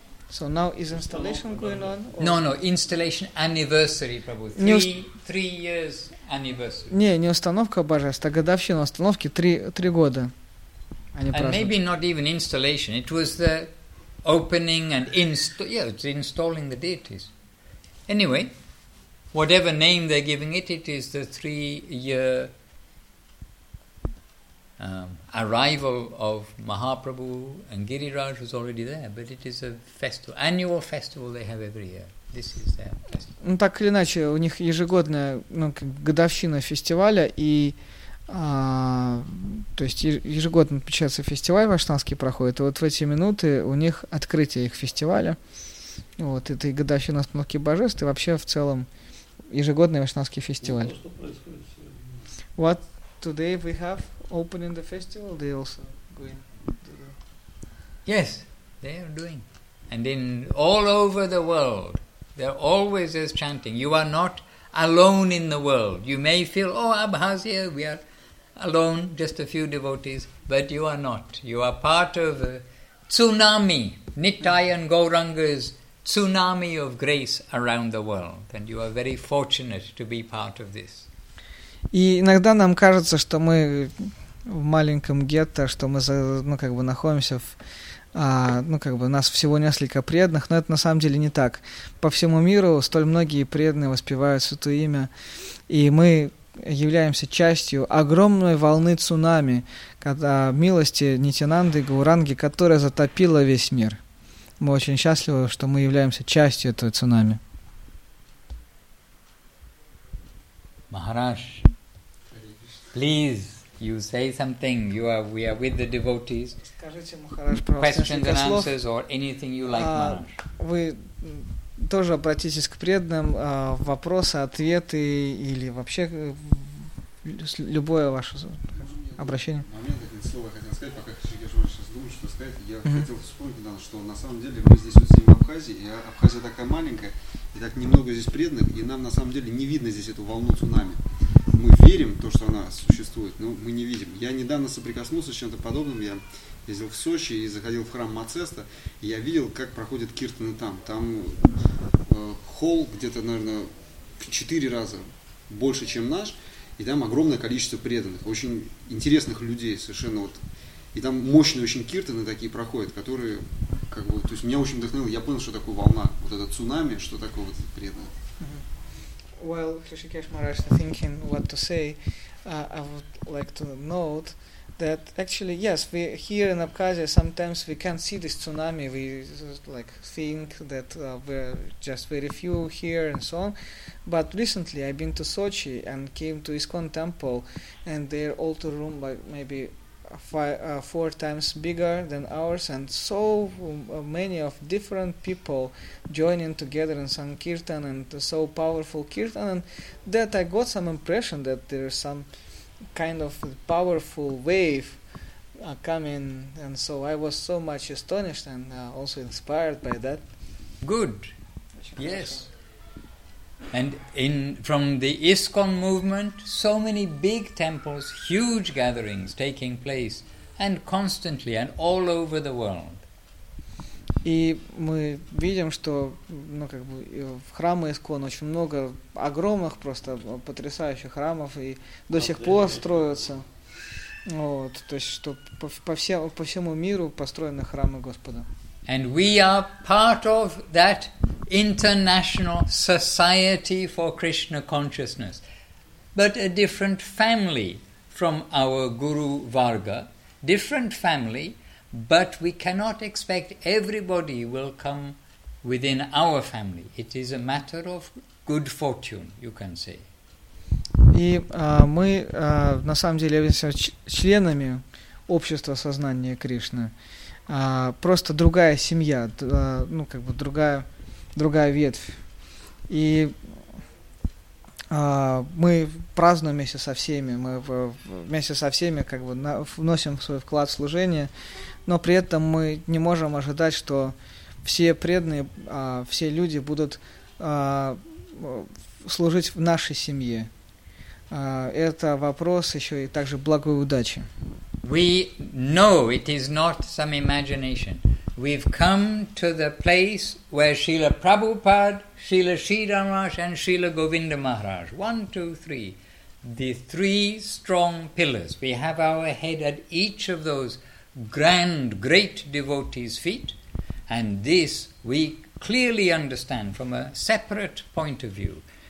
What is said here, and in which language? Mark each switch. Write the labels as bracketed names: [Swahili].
[English] So now is installation going on? Or? No, installation anniversary, Prabhu. Three years anniversary. [Russian] Не, не установка божества, а годовщина установки три года. [English] And maybe not even installation. It was the opening and installing the deities. Anyway, whatever name they're giving it, it is the three-year arrival of Mahaprabhu, and Giriraj was already there, but it is a festival, annual festival they have every year. This is their festival. [Russian] Ну, так или иначе, у них ежегодная годовщина фестиваля, и то есть ежегодно отмечается фестиваль ваштанский проходит, и вот в эти минуты у них открытие их фестиваля, вот, это и годовщина остановки божеств, и вообще в целом ежегодный ваштанский фестиваль. Ну, что [English] what today we have opening the festival, they also going to do. Yes, they are doing. And in all over the world, they're always as chanting. You are not alone in the world. You may feel, Abhazia, we are alone, just a few devotees, but you are not. You are part of a tsunami. Nityan Gauranga's tsunami of grace around the world. And you are very fortunate to be part of this. [Russian] И иногда нам кажется, что мы в маленьком гетто, что мы находимся в... нас всего несколько преданных, но это на самом деле не так. По всему миру столь многие преданные воспевают Святое Имя, и мы являемся частью огромной волны цунами, когда милости Нитянанды и Гауранги, которая затопила весь мир. Мы очень счастливы, что мы являемся частью этого цунами. [English] Махарадж, please, you say something. We are with the devotees. [Russian] Скажите, Махарадж, [English] questions and answers or anything you like, Махарадж. [Russian] Вы тоже обратитесь к преданным, вопросы, ответы или вообще любое ваше обращение. Момент, один слово хотел сказать, пока Шикеш Ваш сейчас думает, что сказать. Я хотел вспомнить, что на самом деле мы здесь вот сидим в Абхазии, и Абхазия такая маленькая, и так немного здесь преданных, и нам на самом деле не видно здесь эту волну цунами. Мы верим в то, что она существует, но мы не видим. Я недавно соприкоснулся с чем-то подобным, я ездил в Сочи и заходил в храм Мацеста, и я видел, как проходят киртаны там. Там холл где-то, наверное, в 4 раза больше, чем наш, и там огромное количество преданных, очень интересных людей совершенно. Вот. И там мощные очень киртаны такие проходят, которые, как бы, то есть меня очень вдохновило, я понял, что такое волна, вот это цунами, что такое вот преданное. [English] Well, Hrishikesh Maharaj is thinking what to say. I would like to note that actually, yes, we here in Abkhazia sometimes we can't see this tsunami. We think that we're just very few here and so on. But recently, I've been to Sochi and came to ISKCON Temple, and their altar room maybe four times bigger than ours, and so many of different people joining together in Sankirtan, and so powerful Kirtan, and that I got some impression that there is some kind of powerful wave coming, and so I was so much astonished and also inspired by that. Good. Yes. And in from the ISKCON movement, so many big temples, huge gatherings taking place, and constantly, and all over the world. [Russian] И мы видим, что, в храмы ISKCON очень много огромных, просто потрясающих храмов, и до сих пор строятся. Вот, то есть, что по всему миру построены храмы Господа. [English] And we are part of that international society for Krishna consciousness, but a different family from our Guru Varga, different family, but we cannot expect everybody will come within our family. It is a matter of good fortune, you can say. [Russian] И мы на самом деле являемся членами общества сознания Кришны. Просто другая семья, ну как бы другая ветвь. И мы празднуем вместе со всеми, мы вместе со всеми как бы вносим свой вклад в служение, но при этом мы не можем ожидать, что все преданные, все люди будут служить в нашей семье. Это вопрос еще и также благой удачи. [English] We know it is not some imagination. We've come to the place where Srila Prabhupada, Srila Sridhar Maharaj and Srila Govinda Maharaj, 1, 2, 3, the three strong pillars. We have our head at each of those grand, great devotees' feet, and this we clearly understand from a separate point of view.